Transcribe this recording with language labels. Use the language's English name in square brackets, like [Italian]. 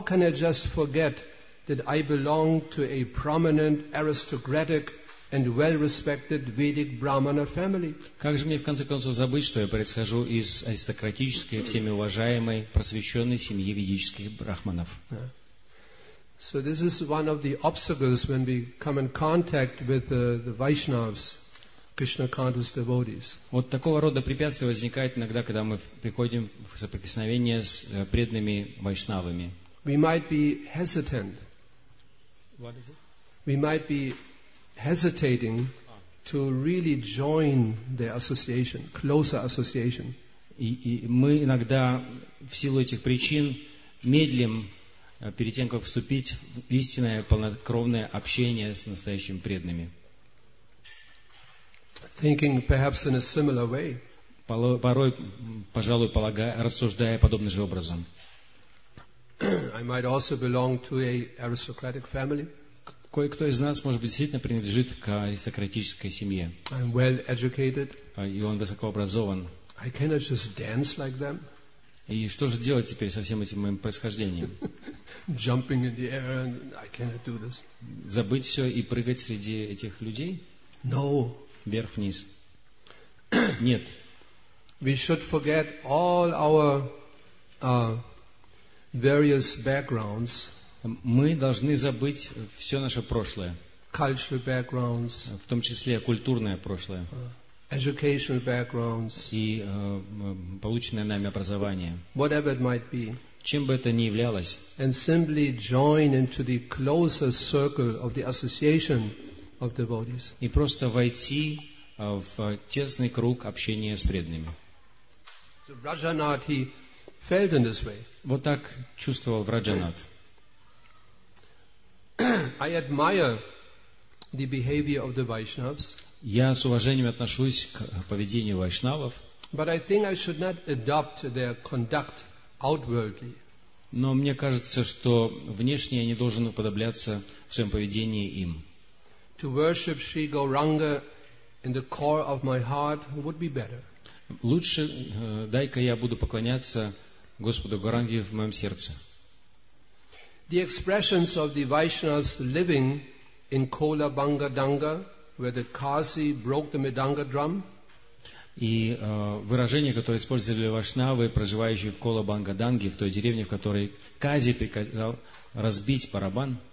[English] can I just forget that I belong to a prominent aristocratic and well-respected Vedic Brahmana family? [Russian] Как же мне в конце концов забыть, что я происхожу из аристократической, всеми уважаемой, просвещенной семьи ведических брахманов? [English] So this is one of the obstacles when we come in contact with the Vaishnavas, Krishna conscious devotees. [Russian] Вот такого рода препятствия возникает иногда, когда мы приходим в соприкосновение с преданными вайшнавами. [English] We might be hesitant. What is it? We might be hesitating to really join their association, closer association. [Russian] И мы иногда в силу этих причин медлим перед тем, как вступить в истинное полнокровное общение с настоящими преданными. [English] Thinking perhaps in a similar way. [Russian] Порой, пожалуй, рассуждая подобным же образом. [English] I might also belong to an aristocratic family. [Russian] Кое-кто из нас, может быть, действительно принадлежит к аристократической семье. [English] I'm well educated. [Russian] И он высокообразован. [English] I cannot just dance like them. [Russian] И что же делать теперь со всем этим моим происхождением? [English] Jumping in the air and I cannot do this. [Russian] Забыть все и прыгать среди этих людей? [English] No. [Russian] Вверх-вниз? Нет. [English] We should forget all our various backgrounds. [Russian] Мы должны забыть все наше прошлое, [English] cultural backgrounds, [Russian] в том числе культурное прошлое, [English] educational backgrounds, [Russian] и полученное нами образование, [English] whatever it might be, [Russian] чем бы это ни являлось, [English] and simply join into the closer circle of the association of devotees. [Russian] И просто войти в тесный круг общения с преданными. [English] So Vrajanath, he felt in this way. [Russian] Вот так чувствовал Враджанат. [English] I admire the behavior of the Vaishnavas. [Russian] Я с уважением отношусь к поведению вайшнавов. [English] But I think I should not adopt their conduct outwardly. [Russian] Но мне кажется, что внешне я не должен уподобляться в своем поведении им. [English] To worship Sri Gauranga in the core of my heart would be better. [Russian] Лучше дай-ка я буду поклоняться Господу Гауранге в моем сердце. [English] The expressions of the Vaishnavas living in Kola Banga Danga, where the Kasi broke the Midanga drum. [Russian] И выражения, которые использовали вайшнавы, проживающие в Кола Банга Данге, в той деревне, в которой Кази приказал разбить барабан.